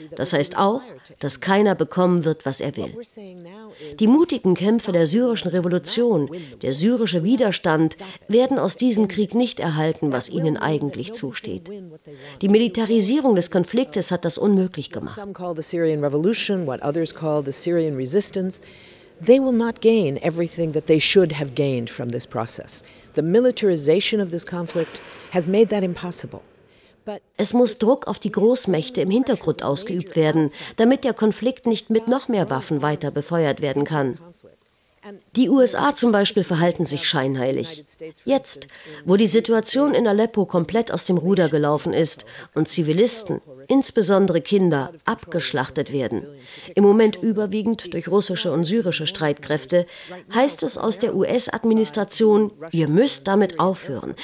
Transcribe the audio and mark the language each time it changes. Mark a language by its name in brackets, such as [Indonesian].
[German] Das heißt auch, dass keiner bekommen wird, was er will. Die mutigen Kämpfer der syrischen Revolution, der syrische Widerstand, werden aus diesem Krieg nicht erhalten, was ihnen eigentlich zusteht. Die Militarisierung des Konfliktes hat das unmöglich gemacht. [English] Some call the Syrian Revolution, what others call the Syrian Resistance. They will not gain everything that they should have gained from this process. The militarization of this conflict has made that impossible. [German] Es muss Druck auf die Großmächte im Hintergrund ausgeübt werden, damit der Konflikt nicht mit noch mehr Waffen weiter befeuert werden kann. Die USA zum Beispiel verhalten sich scheinheilig. Jetzt, wo die Situation in Aleppo komplett aus dem Ruder gelaufen ist und Zivilisten, insbesondere Kinder, abgeschlachtet werden, im Moment überwiegend durch russische und syrische Streitkräfte, heißt es aus der US-Administration, ihr müsst damit aufhören.